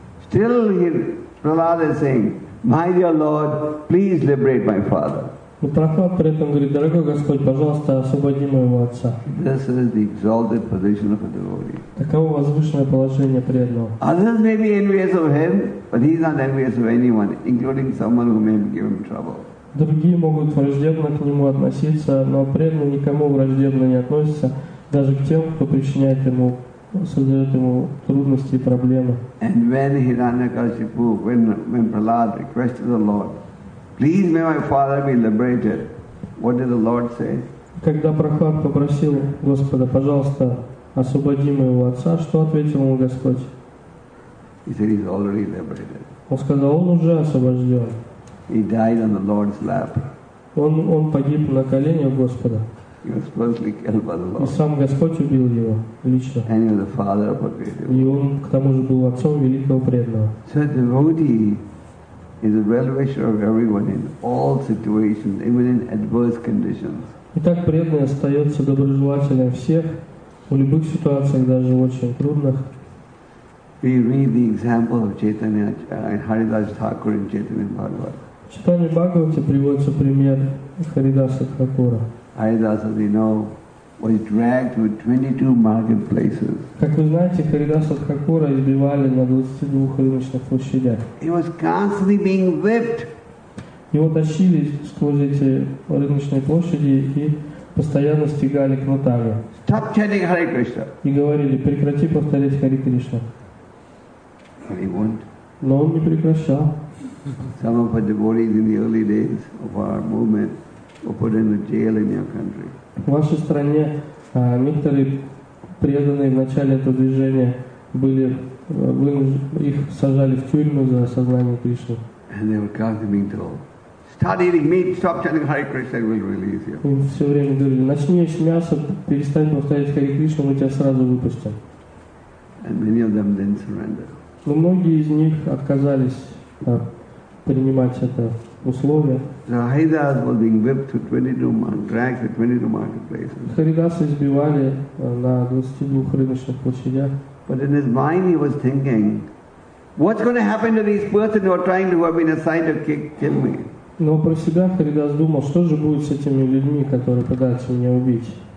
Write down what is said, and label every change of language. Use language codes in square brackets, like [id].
[en] Still Prahlad is saying, my dear Lord, please liberate my father. [ru] Но Прохлад при этом говорит: дорогой Господь, пожалуйста, освободи моего отца. [en] This is the exalted position of a devotee. [ru] Таково возвышенное положение преданного. [en] Others may be envious of him, but he's not envious of anyone, including someone who may give him trouble. [ru] Другие могут враждебно к нему относиться, но преданный никому враждебно не относится, даже к тем, кто причиняет ему, создает ему трудности и проблемы. [en] And when Hiranyakashipu, when Prahlad requested the Lord, please may my father be liberated. What did the Lord say? [ru] Когда Прахлад попросил Господа, пожалуйста, освободи моего отца, что ответил ему Господь? [en] He said he's already liberated. [ru] Он сказал, он уже освобожден. [en] He died on the Lord's lap. [ru] Он погиб на коленях Господа. [en] He was personally killed by the Lord. [ru] И сам Господь убил его лично. [en] And he was the father of a great devotee. [ru] И он к тому же был отцом великого преданного. [en] So a devotee is the well-wisher of everyone in all situations, even in adverse conditions. [ru] Итак, преданный остается доброжелателем всех в любых ситуациях, даже в очень трудных. [en] We read the example of Chaitanya Haridas Thakur in Chaitanya Bhagavat. [ru] В Читании Бхагавате приводится пример Харидаса Тхакура. [en] Haridas, as you know, was dragged to 22 marketplaces. [ru] Как вы знаете, Харидаса Тхакура избивали на 22 рыночных площадях. [en] He was constantly being whipped. [ru] Его тащили сквозь эти рыночные площади и постоянно стегали кнутами. [en] Stop chanting Hare Krishna. [ru] И говорили, прекрати повторять Хари Кришна. [en] But he won't. [ru] Но он не прекращал. [en] Some of our devotees in the early days of our movement were put in a jail in your country. [ru] В вашей стране некоторые преданные в начале этого движения были, их сажали в тюрьму за сознание Кришны. [en] And they were constantly being told, start eating meat, stop chanting Hare Krishna, we'll release you. [ru] Им все время говорили, начни есть мясо, перестань повторять Хари Кришну, мы тебя сразу выпустим. [en] And many of them then surrendered. [ru] Но многие из них отказались принимать это условие. [en] So Haridas was being whipped to 22, dragged to 22 marketplaces. [ru] Харидас избивали на 22 рыночных площадях. [en] But in his mind he was thinking, what's going to happen to these persons who are trying to have been assigned to kill me? [ru] Но про себя Харидас думал, что же будет с этими людьми, которые пытаются меня убить?